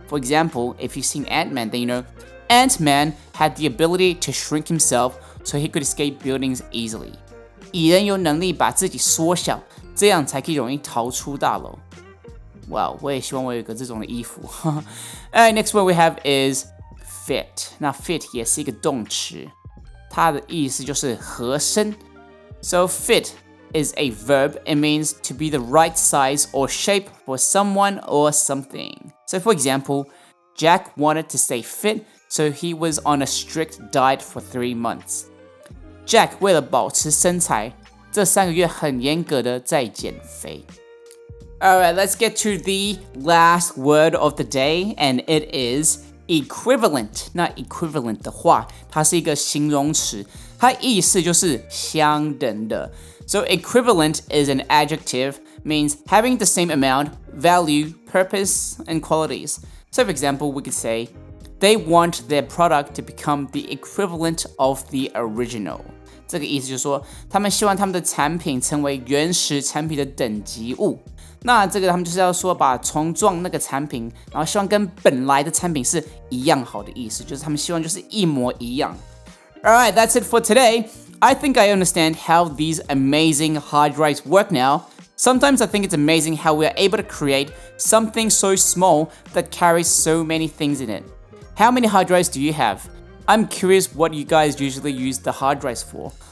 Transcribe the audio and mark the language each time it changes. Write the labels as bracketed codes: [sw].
[en] For example, if you've seen Ant-Man, then you know Ant-Man had the ability to shrink himself so he could escape buildings easily. [zh] 蚁人有能力把自己缩小，这样才可以容易逃出大楼。哇、wow, 我也希望我有个这种的衣服。 [en] Alright, next word we have is fit. [zh] 那 fit 也是一个动词，它的意思就是合身。 [en] So fit is a verb. It means to be the right size or shape for someone or something. So for example, Jack wanted to stay fit, so he was on a strict diet for 3 months. [zh] Jack 为了保持身材，这三个月很严格的在减肥。 [en] Alright, let's get to the last word of the day, and it is equivalent. [zh] 那 equivalent 的话，它是一个形容词，它意思就是相等的。 [en] So equivalent is an adjective, means having the same amount, value, purpose, and qualities. So for example, we could say, they want their product to become the equivalent of the original. [zh] 这个意思就是说，他们希望他们的产品成为原始产品的等级物。那这个他们就是要说把重撞那个产品，然后希望跟本来的产品是一样好的意思，就是他们希望就是一模一样。 [en] Alright, that's it for today. I think I understand how these amazing hard drives work now. Sometimes I think it's amazing how we are able to create something so small that carries so many things in it. How many hard drives do you have? I'm curious what you guys usually use the hard drives for.